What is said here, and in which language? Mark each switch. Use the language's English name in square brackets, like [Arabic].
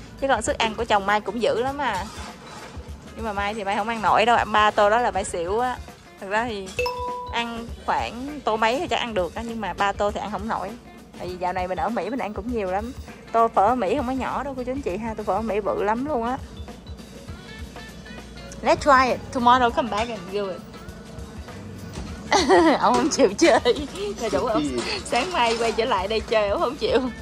[Vietnamese] Chứ còn sức ăn của chồng Mai cũng dữ lắm à. Nhưng mà Mai thì Mai không ăn nổi đâu, ba tô đó là Mai xỉu á. Thật ra thì ăn khoảng tô mấy thì chắc ăn được á, nhưng mà ba tô thì ăn không nổi. Tại vì dạo này mình ở Mỹ mình ăn cũng nhiều lắm. Tô phở ở Mỹ không có nhỏ đâu cô chú anh chị ha, tô phở ở Mỹ bự lắm luôn á. [English] Let's try it, tomorrow come back and do it. [Vietnamese] Ông không chịu chơi. Sáng mai quay trở lại đây chơi, ông không chịu.